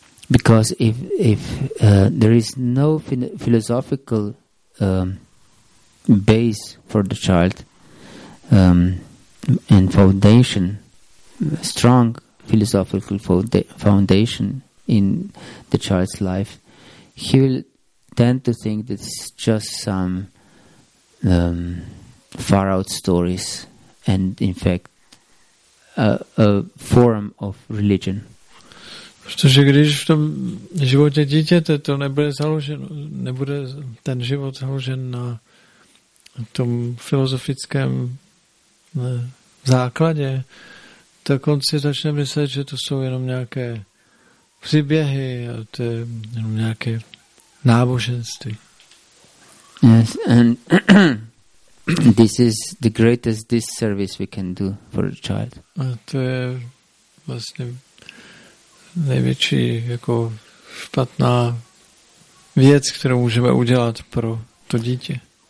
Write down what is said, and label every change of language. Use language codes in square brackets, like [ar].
[en] Because if there is no philosophical base for the child and foundation, strong philosophical foundation in the child's life, he will tend to think that it's just some far out stories and in fact a form of religion. [cs] Protože když v tom životě dítěte to nebude založeno, nebude ten život založen na tom filozofickém základě, tak on si začne myslet, že to jsou jenom nějaké příběhy a to je jenom nějaké náboženství. [en] Yes, and this is the greatest disservice we can do for a child. [cs] A to je vlastně největší jako špatná věc, kterou můžeme udělat pro to dítě.